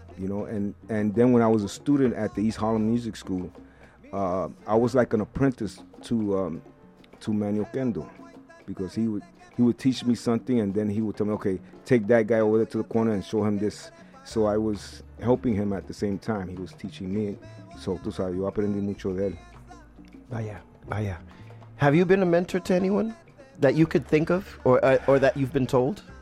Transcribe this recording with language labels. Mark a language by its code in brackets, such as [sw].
[en] You know, and then when I was a student at the East Harlem Music School, I was like an apprentice to Manuel Kendall, because he would teach me something, and then he would tell me, okay, take that guy over there to the corner and show him this. So I was helping him at the same time. He was teaching me. [es] So tú sabes, yo aprendí mucho de él. Vaya, vaya. [en] Have you been a mentor to anyone that you could think of or that you've been told?